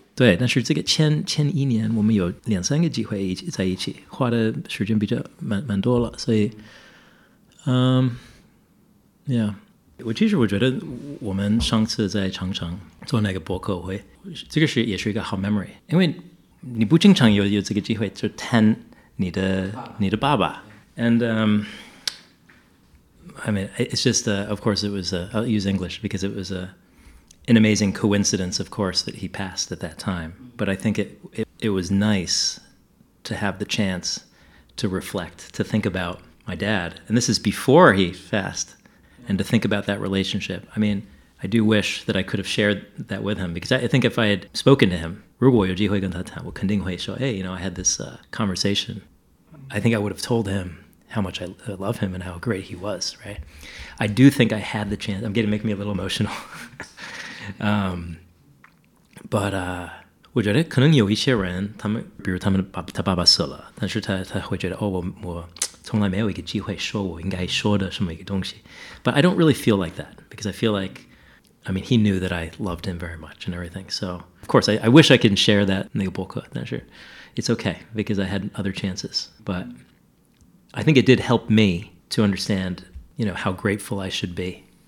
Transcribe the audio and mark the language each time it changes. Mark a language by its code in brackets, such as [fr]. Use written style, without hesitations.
[zh] 对，但是这个前一年，我们有两三个机会在一起，花的时间比较蛮多了，所以， [en] yeah， [zh] 我觉得我们上次在长城做那个博客会，这个是也是一个好 memory， 因为你不经常有这个机会就谈你的爸爸 ， [en] and。 I mean, it's just, of course, it was, I'll use English because it was an amazing coincidence, of course, that he passed at that time. But I think it was nice to have the chance to reflect, to think about my dad. And this is before he passed, and to think about that relationship. I mean, I do wish that I could have shared that with him, because I think if I had spoken to him, [zh] 如果有机会跟他谈，我肯定会说, [en] hey, you know, I had this conversation. I think I would have told him. How much I love him and how great he was, right? I do think I had the chance. I'm getting make me a little emotional. but [zh] 我觉得可能有一些人，他们比如他们他爸爸死了，但是他会觉得哦，我从来没有一个机会说我应该说的什么一个东西。 [en] But I don't really feel like that because I feel like, I mean, he knew that I loved him very much and everything. So of course, I wish I could share that [zh] 那个博客，但是 [en] it's okay because I had other chances, but. I think it did help me to understand, you know, how grateful I should be.